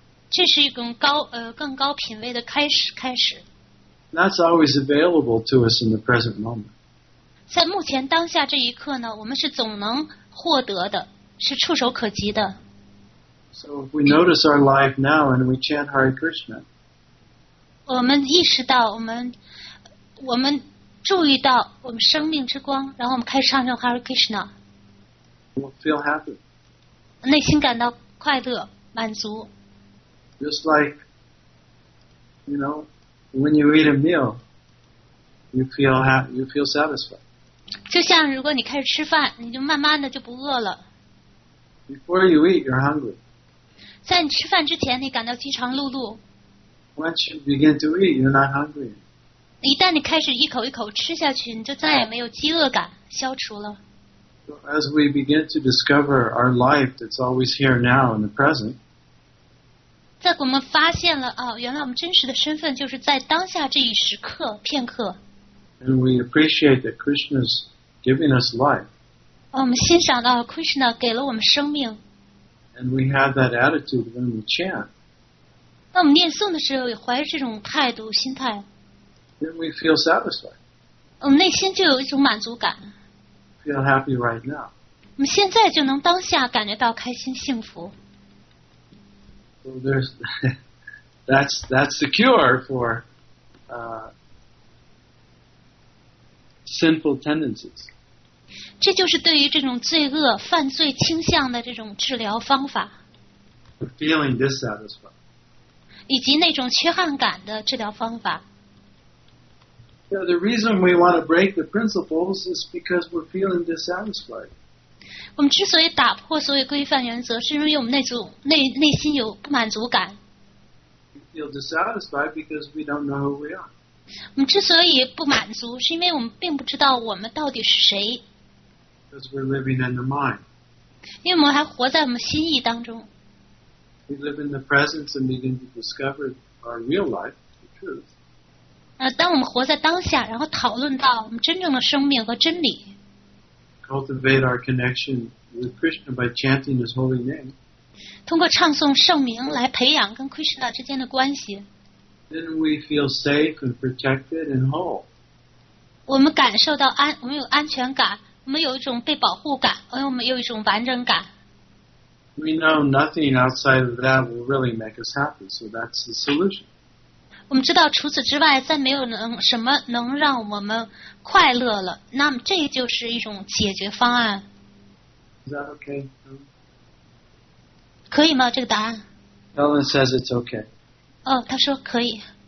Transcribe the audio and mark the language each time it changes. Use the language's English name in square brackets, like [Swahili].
[Chinese] 这是一种高更高品位的开始。 [English] That's always available to us in the present moment. [Chinese] 在目前当下这一刻呢，我们是总能获得的，是触手可及的。 [English] So if we notice our life now and we chant Hare Krishna, [Chinese] 我们意识到我们注意到我们生命之光，然后我们开始唱诵 Hare Krishna, [English] we'll feel happy. [Chinese] 内心感到快乐满足。 [English] Just like, you know, when you eat a meal, you feel satisfied. [Chinese] 就像如果你开始吃饭，你就慢慢的就不饿了。 [English] Before you eat, you're hungry. [Chinese] 在你吃饭之前，你感到饥肠辘辘。 [English] Once you begin to eat, you're not hungry. [Chinese] 一旦你开始一口一口吃下去，你就再也没有饥饿感，消除了。 [English] So as we begin to discover our life that's always here now in the present, [Chinese] 在我们发现了原来我们真实的身份就是在当下这一时刻片刻。 [English] And we appreciate that Krishna's giving us life. [Chinese] 我们欣赏到 Krishna 给了我们生命。 [English] And we have that attitude when we chant. [Chinese] 那我们念诵的时候也怀着这种态度、心态。 [English] Then we feel satisfied. [Chinese] 我们内心就有一种满足感。 [English] Feel happy right now. [Chinese] 我们现在就能当下感觉到开心、幸福。 [English] So there's that's the cure for. Sinful tendencies. [Chinese] 这就是对于这种罪恶、犯罪倾向的这种治疗方法。 [English] Feeling dissatisfied. [Chinese] 以及那种缺憾感的治疗方法。 [English] Yeah, the reason we want to break the principles is because we're feeling dissatisfied. [Chinese] 我们之所以打破所有规范原则，是因为我们内心有不满足感。 [English] We feel dissatisfied because we don't know who we are. [Chinese] 我们之所以不满足，是因为我们并不知道我们到底是谁。 [English] Because we're living in the mind. [Chinese] 因为我们还活在我们心意当中。 [English] We live in the presence and begin to discover our real life, the truth. [Chinese] 当我们活在当下，然后讨论到我们真正的生命和真理。 [English] Cultivate our connection with Krishna by chanting His holy name. [Chinese] 通过唱诵圣名来培养跟 Krishna 之间的关系。 [English] Then we feel safe and protected and whole. [Chinese] 我们感受到我们有安全感，我们有一种被保护感，而我们有一种完整感。 [English] We know nothing outside of that will really make us happy, so that's the solution. [Chinese] 我们知道除此之外，再没有什么能让我们快乐了。那么这就是一种解决方案。 [English] Is that okay? [Chinese] 可以吗？这个答案 [English] ？Ellen says it's okay. [Chinese] 他说可以。